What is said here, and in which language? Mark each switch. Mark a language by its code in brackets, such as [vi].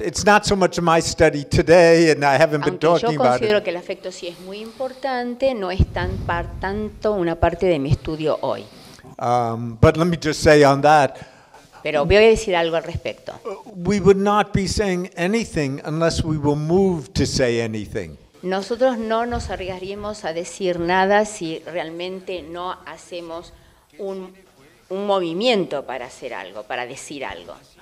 [en] It's not so much my study today and I haven't been talking about it. [es] Yo considero que el afecto sí es muy importante, no es tanto una parte de mi estudio hoy. [en] But let me just say on that. [es] Pero voy a decir algo al respecto. [en] We would not be saying anything unless we were moved to say anything. [es] Nosotros no nos arriesgaríamos a decir nada si realmente no hacemos un movimiento para hacer algo, para decir algo.